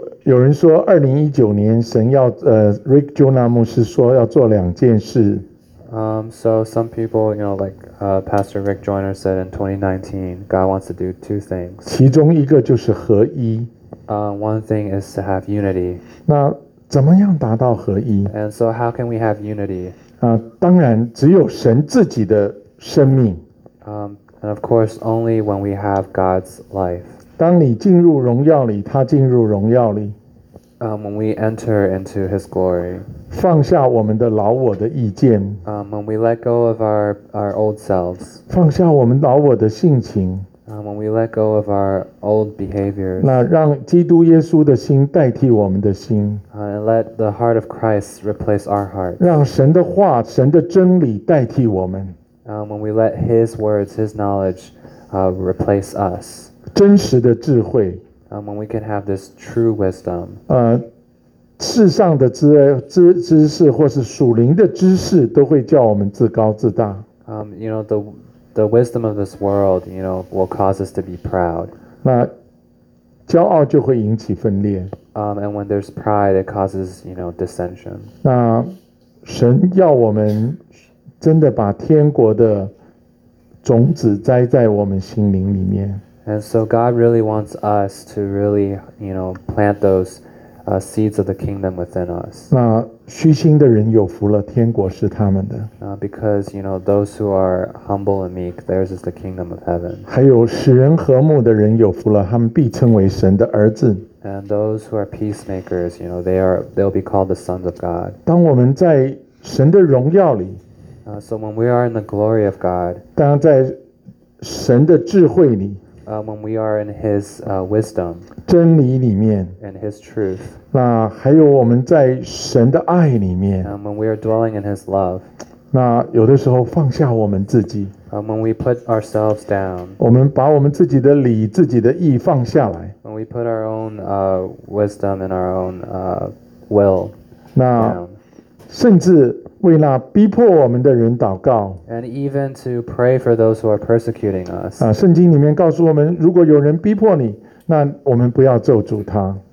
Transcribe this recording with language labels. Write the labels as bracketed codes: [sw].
[zh] 有人说2019年神要Rick Jonah 牧师说要做两件事。 [en] So some people, you know, like Pastor Rick Joyner said in 2019, God wants to do two things. [zh] 其中一个就是合一。 [en] One thing is to have unity. [zh] 那怎么样达到合一？ [en] And so how can we have unity? [zh] 当然只有神自己的生命。 [en] And of course, only when we have God's life. [zh] 当你进入荣耀里，他进入荣耀里。 [en] When we enter into His glory. [zh] 放下我们的老我的意见。 [en] When we let go of our old selves. [zh] 放下我们老我的性情。 [en] When we let go of our old behaviors. [zh] 那让基督耶稣的心代替我们的心。 [en] And let the heart of Christ replace our heart. [zh] 让神的话，神的真理代替我们。 [en] When we let His words, His knowledge, replace us. [zh] 真实的智慧。 [en] When we can have this true wisdom. [zh] 世上的知识或是属灵的知识都会叫我们自高自大。 [en] You know, the wisdom of this world, you know, will cause us to be proud. [zh] 那骄傲就会引起分裂。 [en] And when there's pride, it causes, you know, dissension. [zh] 那神要我们真的把天国的种子栽在我们心灵里面。 [en] And so God really wants us to really, you know, plant those seeds of the kingdom within us. [zh] 那虚心的人有福了，天国是他们的。 [en] Because, you know, those who are humble and meek, theirs is the kingdom of heaven. [zh] 还有使人和睦的人有福了，他们必称为神的儿子。 [en] And those who are peacemakers, you know, they'll be called the sons of God. [zh] 当我们在神的荣耀里。 [en] So when we are in the glory of God, [zh] 当在神的智慧里， [en] when we are in His wisdom, [zh] 真理里面， [en] and His truth, [zh] 那还有我们在神的爱里面， [en] when we are dwelling in His love, [zh] 那有的时候放下我们自己， [en] when we put ourselves down, [zh] 我们把我们自己的理、自己的意放下来， [en] when we put our own wisdom and our own will, [zh] 那甚至为那逼迫我们的人祷告。 [en] And even to pray for those who are persecuting us. [zh] 圣经里面告诉我们，如果有人逼迫你，那我们不要咒诅他。